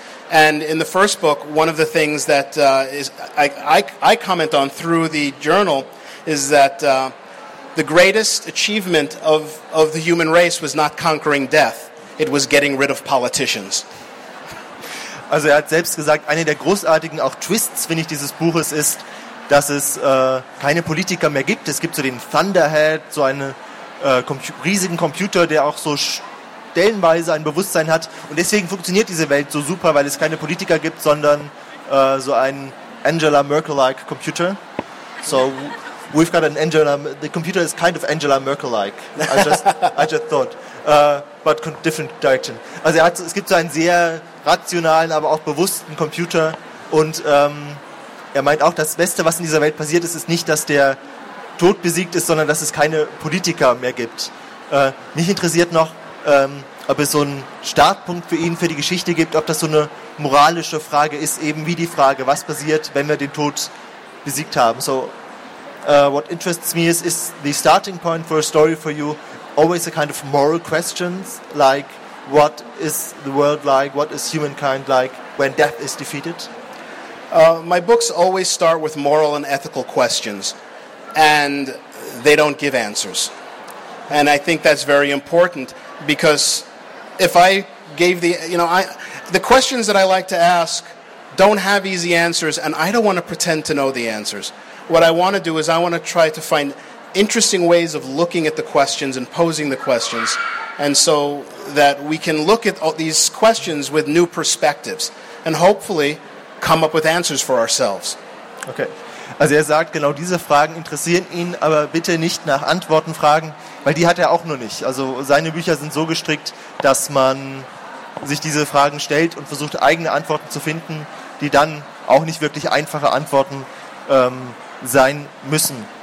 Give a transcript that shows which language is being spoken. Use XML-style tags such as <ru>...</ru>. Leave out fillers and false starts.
<en>And in the first book, one of the things that I comment on through the journal is that the greatest achievement of the human race was not conquering death. It was getting rid of politicians.</en> <de>Also er hat selbst gesagt, eine der großartigen auch Twists, finde ich, dieses Buches ist, dass es keine Politiker mehr gibt. Es gibt so den Thunderhead, so einen riesigen Computer, der auch so stellenweise ein Bewusstsein hat. Und deswegen funktioniert diese Welt so super, weil es keine Politiker gibt, sondern so einen Angela Merkel-like Computer.</de> <en>So we've got an Angela, the computer is kind of Angela Merkel-like. I just thought. But different direction.</en> <de>Also es gibt so einen sehr rationalen, aber auch bewussten Computer, und er meint auch, das Beste, was in dieser Welt passiert ist, ist nicht, dass der Tod besiegt ist, sondern dass es keine Politiker mehr gibt. Mich interessiert noch, ob es so einen Startpunkt für ihn, für die Geschichte gibt, ob das so eine moralische Frage ist, eben wie die Frage, was passiert, wenn wir den Tod besiegt haben.</de> <en>So, what interests me is the starting point for a story for you always a kind of moral questions, like what is the world like? What is humankind like when death is defeated? My books always start with moral and ethical questions, and they don't give answers. And I think that's very important, because if I gave the questions that I like to ask don't have easy answers, and I don't want to pretend to know the answers. What I want to do is I want to try to find interesting ways of looking at the questions and posing the questions, and so that we can look at all these questions with new perspectives and hopefully come up with answers for ourselves. Okay.</en> <de>Also er sagt, genau diese Fragen interessieren ihn, aber bitte nicht nach Antworten fragen, weil die hat er auch noch nicht. Also seine Bücher sind so gestrickt, dass man sich diese Fragen stellt und versucht, eigene Antworten zu finden, die dann auch nicht wirklich einfache Antworten sein müssen.</de>